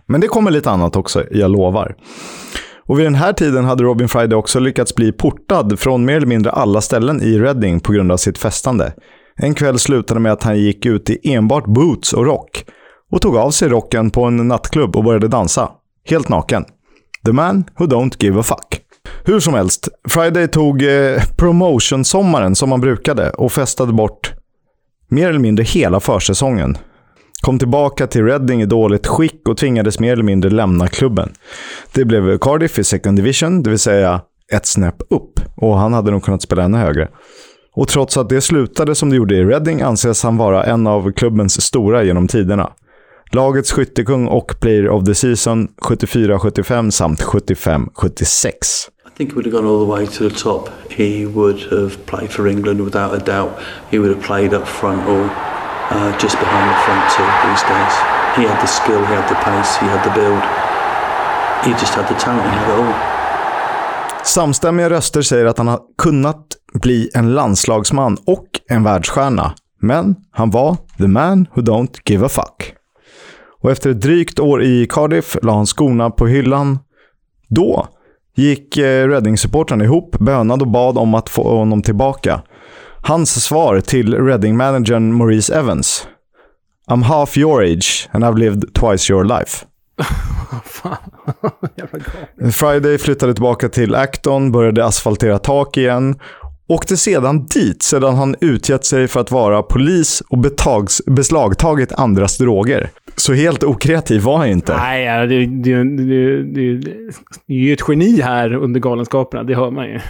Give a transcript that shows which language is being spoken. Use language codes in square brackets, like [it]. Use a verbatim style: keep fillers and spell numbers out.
[sv] Men det kommer lite annat också, jag lovar. Och vid den här tiden hade Robin Friday också lyckats bli portad från mer eller mindre alla ställen i Reading på grund av sitt festande. En kväll slutade med att han gick ut i enbart boots och rock och tog av sig rocken på en nattklubb och började dansa. Helt naken. [en] The man who don't give a fuck. [sv] Hur som helst, Friday tog eh, promotion-sommaren som han brukade och festade bort mer eller mindre hela försäsongen. Kom tillbaka till Reading i dåligt skick och tvingades mer eller mindre lämna klubben. Det blev Cardiff i second division, det vill säga ett snäpp upp. Och han hade nog kunnat spela ännu högre. Och trots att det slutade som det gjorde i Reading anses han vara en av klubbens stora genom tiderna. Lagets skyttekung och [en] player of the season [sv] sjuttiofyra sjuttiofem samt sjuttiofem sjuttiosex. [en] I think he would have gone all the way to the top. He would have played for England without a doubt. He would have played up front or uh, just behind the front two these days. He had the skill, he had the pace, he had the build. He just had the talent, he had it all. [sv] Samstämmiga röster säger att han har kunnat bli en landslagsman och en världsstjärna. Men han var [en] the man who don't give a fuck. [sv] Och efter ett drygt år i Cardiff la han skorna på hyllan. Då gick Reading-supportrarna ihop, bönade och bad om att få honom tillbaka. Hans svar till Reading-managern [en] Maurice Evans: I'm half your age and I've lived twice your life. [sv] Fan, jävla galet. Friday flyttade tillbaka till Acton, började asfaltera tak igen. Åkte sedan dit sedan han utgett sig för att vara polis och betags, beslagtagit andras droger. Så helt okreativ var han inte. Nej, det, det, det, det, det är ju ett geni här under galenskaperna, det hör man ju.